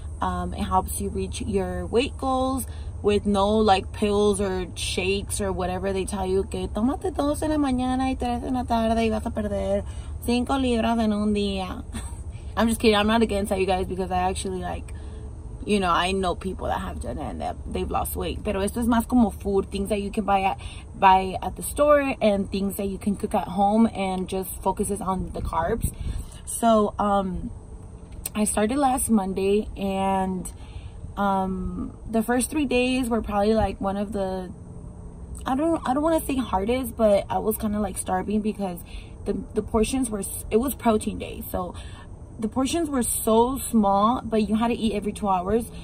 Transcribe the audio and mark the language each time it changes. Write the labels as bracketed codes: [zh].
[en] It helps you reach your weight goals with no like pills or shakes or whatever they tell you. [es] Que tómate dos en la mañana y tres en la tarde y vas a perder cinco libras en un día. [en] I'm just kidding. I'm not against that, you guys, because I actually like, you know, I know people that have done it and they've lost weight. [es] Pero esto es más como [en] food, things that you can buy at the store, and things that you can cook at home, and just focuses on the carbs. So, I started last Monday, and the first 3 days were probably like one of the, I don't want to say hardest, but I was kind of like starving, because the portions were, it was protein day, so the portions were so small, but you had to eat every 2 hours.